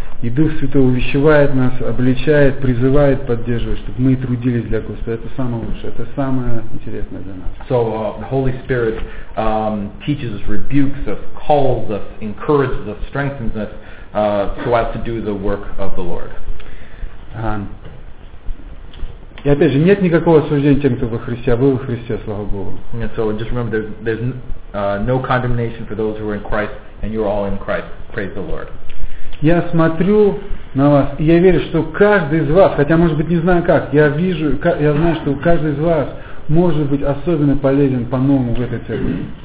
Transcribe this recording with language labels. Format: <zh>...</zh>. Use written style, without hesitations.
<ru>И Дух Святой увещевает нас, обличает, призывает, поддерживает, чтобы мы трудились для Господа. Это самое лучшее, это самое интересное для нас.</ru> <en>So, the Holy Spirit teaches us, rebukes us, calls us, encourages us, strengthens us, so as to do the work of the Lord.</en> <ru>И опять же, нет никакого осуждения тем, кто во Христе, а вы во Христе, слава Богу.</ru> <en>And so, just remember, there's no condemnation for those who are in Christ, and you're all in Christ. Praise the Lord.</en> <ru>Я смотрю на вас, и я верю, что каждый из вас, хотя, может быть, не знаю как, я вижу, я знаю, что каждый из вас может быть особенно полезен по-новому в этой церкви.</ru>